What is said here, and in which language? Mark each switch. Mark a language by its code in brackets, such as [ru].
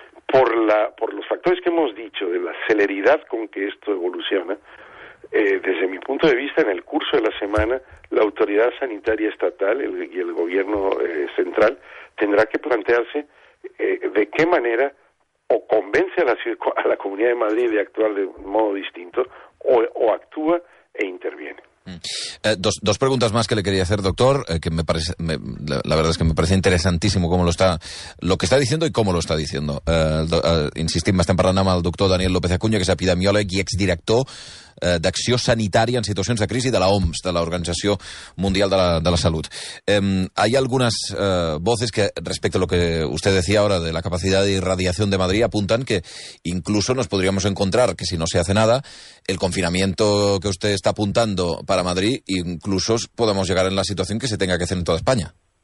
[es] por los factores que hemos dicho, de la celeridad con que esto evoluciona, desde mi punto de vista, en el curso de la semana, la autoridad sanitaria estatal y el gobierno central tendrá que plantearse de qué manera o convence a la Comunidad de Madrid de actuar de modo distinto o actúa e interviene. Dos preguntas más que le quería hacer, doctor, que me parece, la verdad es que me parece interesantísimo cómo lo que está diciendo y cómo lo está diciendo. [ca] Insistim bastant parlant amb el doctor Daniel López Acuña, que és epidemiòleg i exdirector d'acció sanitària en situacions de crisi de la OMS, de l'Organització Mundial de la Salut. [es] Hay algunas voces que, respecto a lo que usted decía ahora de la capacidad de irradiación de Madrid, apuntan que incluso nos podríamos encontrar que si no se hace nada, el confinamiento que usted está apuntando para Madrid, incluso podemos llegar en la situación que se tenga que hacer en toda España.